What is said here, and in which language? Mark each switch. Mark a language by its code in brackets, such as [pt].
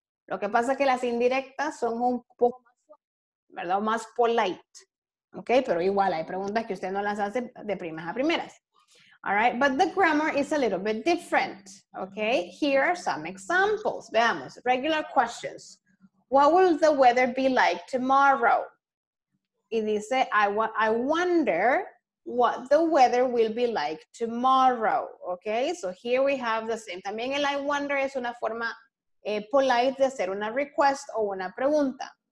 [es] Lo que pasa es que las indirectas son un poco más, ¿verdad? Más polite. Okay, pero igual hay preguntas que usted no las hace de primas a primeras. [en] All right, but the grammar is a little bit different. Okay, here are some examples. [es] Veamos, [en] regular questions. What will the weather be like tomorrow? [es] Y dice, [en] I wonder what the weather will be like tomorrow. Okay, so here we have the same. [es] También el I wonder es una forma polite de hacer una request o una pregunta.